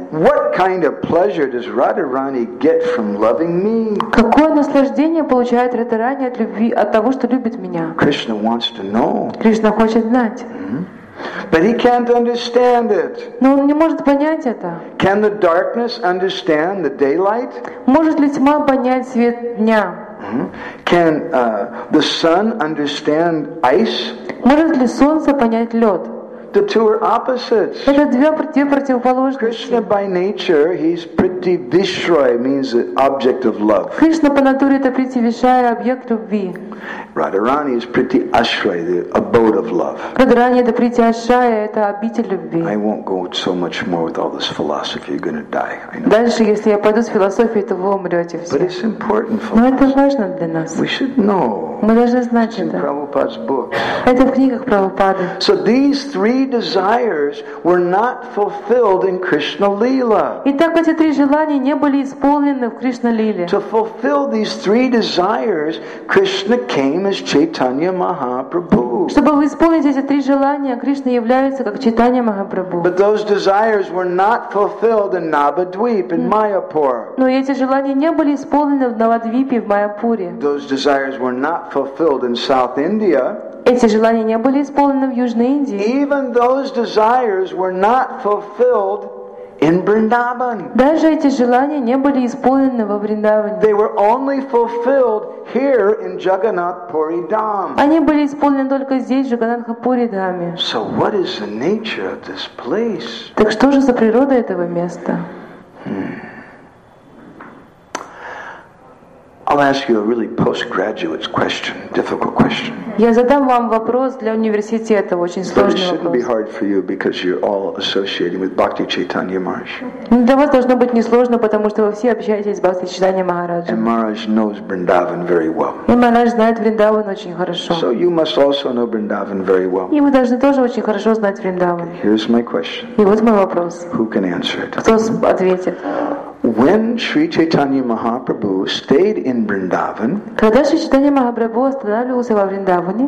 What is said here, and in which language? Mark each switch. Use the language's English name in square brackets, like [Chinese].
[English] What kind of pleasure does Radharani get from loving me? [Russian] Какое наслаждение получает Радхарани от любви, от того, что любит меня? [English] Krishna wants to know. [Russian] Кришна хочет знать. [English] But he can't understand it. [Russian] Но он не может понять это. [English] Can the darkness understand the daylight? [Russian] Может ли тьма понять свет дня? [English] Can the sun understand ice? [Russian] Может ли солнце понять лед? [English] The two are opposites. [Russian] Это две противоположности. [English] Krishna by nature, he's priti vishray, means the object of love. [Russian] Кришна по натуре это priti vishray, объект любви. [English] Radharani is priti ashray, the abode of love. [Russian] Радхарани это priti ashray, это обитель любви. [English] I won't go so much more with all this philosophy. You're gonna die. I know. [Russian] Дальше, если я пойду с философией, то вы умрете все. [English] But it's important for us. [Russian] Но это важно для нас. [English] We should know. [Russian] Мы должны знать это. [English] In Prabhupada's book. [Russian] Это в книгах Прабхупады. [English] So these three desires were not fulfilled in Krishna Lila. [Russian] Итак, эти три желания не были исполнены в Кришна Лиле. [English] To fulfill these three desires, Krishna came as Chaitanya Mahaprabhu. [Russian] Чтобы исполнить эти три желания, Кришна является как Чайтанья Махапрабху. [English] But those desires were not fulfilled in Navadvip, in Mayapur. [Russian] Но эти желания не были исполнены в Навадвипе, в Майяпуре. [English] Those desires were not fulfilled in South India. [Russian] Эти желания не были исполнены в Южной Индии. [English] Even those desires were not fulfilled in Vrindavan. [Russian] Даже эти желания не были исполнены во Вриндаване. [English] They were only fulfilled here in Jagannath Puri Dham. [Russian] Они были исполнены только здесь, в Джаганнатха Пури Дхаме. [English] So what is the nature of this place? [Russian] Так что же за природа этого места? [English] I'll ask you a really postgraduate question, difficult question. [Russian] Я задам вам вопрос для университета, очень сложный вопрос. [English] But it shouldn't be hard for you because you're all associating with Bhakti Chaitanya Maharaj. [Russian] Ну, для вас должно быть несложно, потому что вы все общаетесь с Бхакти Чайтанья Махараджем. [English] And Maharaj knows Vrindavan very well. [Russian] И Махарадж знает Вриндаван очень хорошо. [English] So you must also know Vrindavan very well. [Russian] И вы должны тоже очень хорошо знать Вриндаван. [English] Here's my question. [Russian] И вот мой вопрос. [English] Who can answer it? [Russian] Кто ответит? [English] When Sri Chaitanya Mahaprabhu stayed in Vrindavan, [Russian] когда Шри Чайтанья Махапрабху останавливался во Вриндаване,